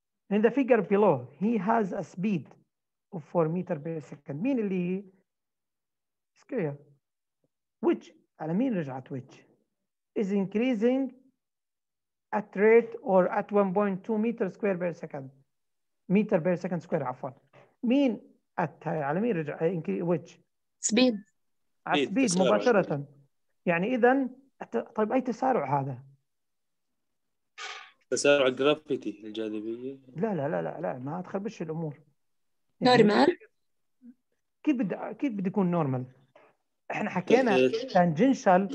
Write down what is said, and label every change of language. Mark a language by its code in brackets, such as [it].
[en] In the figure below, he has a speed of 4 meter per second. [ar] مين اللي هي؟ Square. [en] Which [ar] على مين رجعت [en] which is increasing at rate or at 1.2 meter square per second meter per second square [ar] عفوا مين [en] at [ar] على مين رجع [en] which speed [ar] على speed مباشرة يعني إذا طيب أي تسارع هذا تسارع جرافيتي الجاذبية. لا لا لا لا لا، ما تخربش الأمور. يعني نورمال. كيف بده يكون نورمال؟ احنا حكينا تانجنشال مربوط